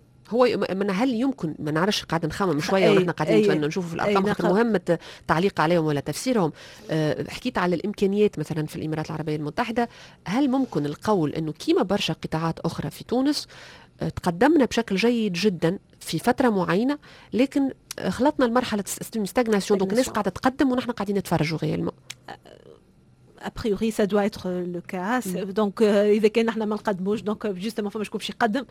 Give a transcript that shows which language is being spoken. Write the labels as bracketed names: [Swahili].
[Arabic] هو من هل يمكن ما نعرفش قاعد نخمم شويه ونحن قاعدين نشوفوا في الارقام خاطر مهمه تعليق عليهم ولا تفسيرهم حكيت على الامكانيات مثلا في الامارات العربيه المتحده هل ممكن القول انه كيما برشا قطاعات اخرى في تونس تقدمنا بشكل جيد جدا في فتره معينه لكن خلطنا المرحله ستاجناسيون دونك الناس قاعده تقدم ونحن قاعدين نتفرجوا غير [French] a priori ça doit être le cas. [Arabic] Donc إذا كان احنا ما نقدموش دونك justement فما شكون باش يقدم